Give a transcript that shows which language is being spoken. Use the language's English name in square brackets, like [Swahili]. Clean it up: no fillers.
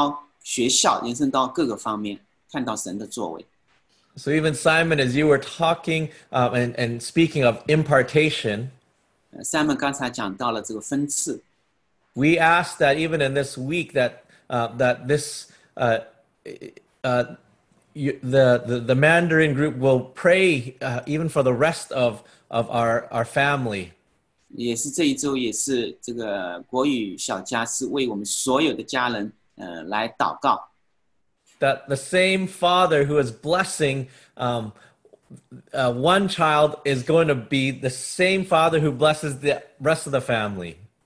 [Chinese] 虽然我们好像没有一个外展的一个项目，但是我们所经历、所经历、所做的，正是一个外展，是延伸到学校，延伸到各个方面。 [English] So even Simon, as you were talking and speaking of impartation, [Chinese] Simon刚才讲到了这个分次, [English] we ask that even in this week that the Mandarin group will pray even for the rest of our family. [Chinese] 也是这一周也是这个国语小家是为我们所有的家人来祷告。 [English] That the same father who is blessing one child is going to be the same father who blesses the rest of the family.